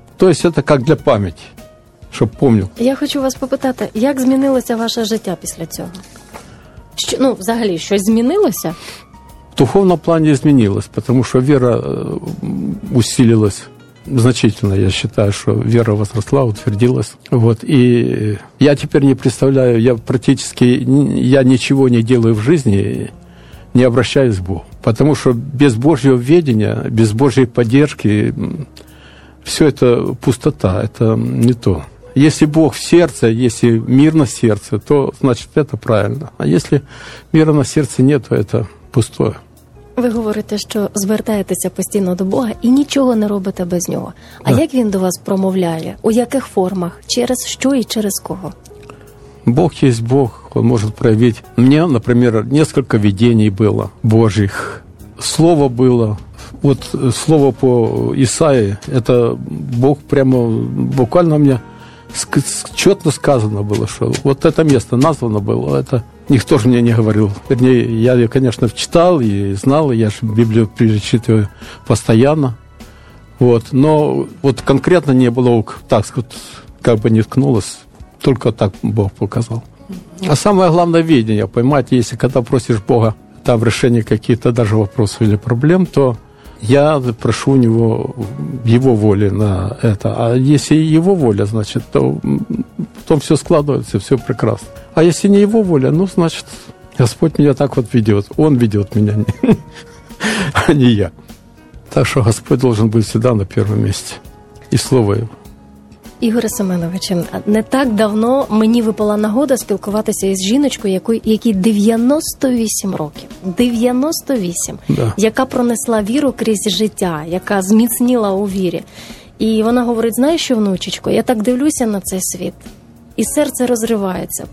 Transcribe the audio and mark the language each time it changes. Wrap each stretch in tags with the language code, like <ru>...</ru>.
<ru>То есть это как для памяти, чтобы помнил. Я хочу вас попытать, как изменилось ваше життя после этого?</ru> <uk>Що, ну, взагалі, щось змінилося? В духовному плані змінилось, тому що віра</uk> <ru>усилилась значительно,</ru> <uk>я вважаю, що віра возросла, утвердилась. Вот. І я тепер не представляю, я практично, я нічого не роблю в житті, не звертаюся до Бога. Тому що без Божого ведення, без Божої підтримки, все це пустота, це не то.</uk> <ru>Если Бог в сердце, если мир на сердце, то значит это правильно. А если мира на сердце нет, то это пустое.</ru> <uk>Ви говорите, що звертаєтеся постійно до Бога і нічого не робите без нього. А да. Як він до вас промовляє? У яких формах? Через що і через кого? Бог є Бог, він може проявити. У мене, наприклад, кілька видінь було Божих. Слово було</uk> <ru>вот слово по Исаии, это Бог прямо буквально у меня четко сказано было, что вот это место названо было, это никто же мне не говорил. Вернее, я ее, конечно, читал и знал, я же Библию перечитываю постоянно. Вот, но вот конкретно не было, так сказать, как бы не ткнулось, только так Бог показал. А самое главное видение поймать, если когда просишь Бога там решение какие-то даже вопросов или проблем, то я прошу у него его воли на это. А если его воля, значит, то потом все складывается, все прекрасно. А если не его воля, ну, значит, Господь меня так вот ведет. Он ведет меня, а не я. Так что Господь должен быть всегда на первом месте. И слово Его.</ru> <uk>Ігоре Семеновичу, не так давно мені випала нагода спілкуватися із жіночкою, якій 98 років. 98. Да. Яка пронесла віру крізь життя, яка зміцніла у вірі. І вона говорить, знаєш що, внучечко, я так дивлюся на цей світ, і серце розривається.</uk>